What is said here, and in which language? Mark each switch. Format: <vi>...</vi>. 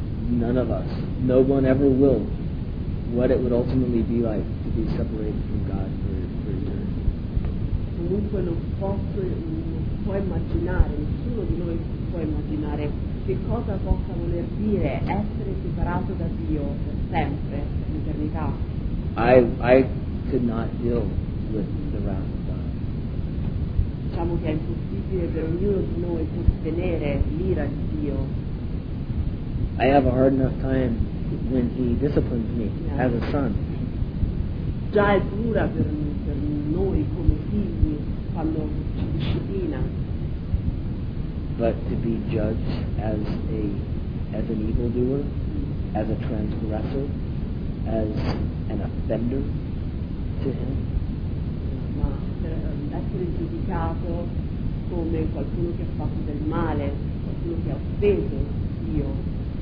<en>None of us, no one ever will, what it would ultimately be like to be separated from God for eternity.</en> <it>Comunque non può immaginare, nessuno di noi può immaginare che cosa possa voler dire essere separato da Dio per sempre, per l'eternità.</it> <en>I could not deal with the wrath of God.</en> <it>Diciamo che è impossibile per ognuno di noi sostenere l'ira di Dio.</it> <en>I have a hard enough time when he disciplines me as a son.</en> <it>Già è dura per noi come figli quando ci disciplina.</it> <en>But to be judged as an evildoer, as a transgressor, as an offender to him.</en> <it>Ma per essere giudicato come qualcuno che ha fatto del male, qualcuno che ha offeso Dio.</it>